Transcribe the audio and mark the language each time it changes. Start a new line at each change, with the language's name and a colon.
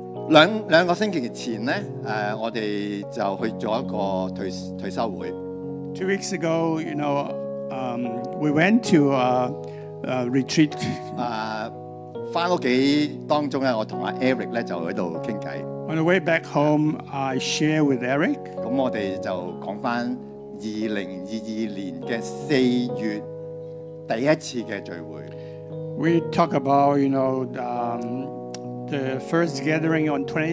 Cantonese: 兩個星期前咧，我哋就去咗一個退休會。
English: Two weeks ago, you know, we went to a retreat.
Cantonese: 翻屋企當中咧，我同阿 Eric 咧就喺度傾偈。
English: On the way back home, I share with Eric.
Cantonese: 咁我哋就講翻2022年嘅4月第一次嘅聚會。
English: We talk about, you know, the first gathering on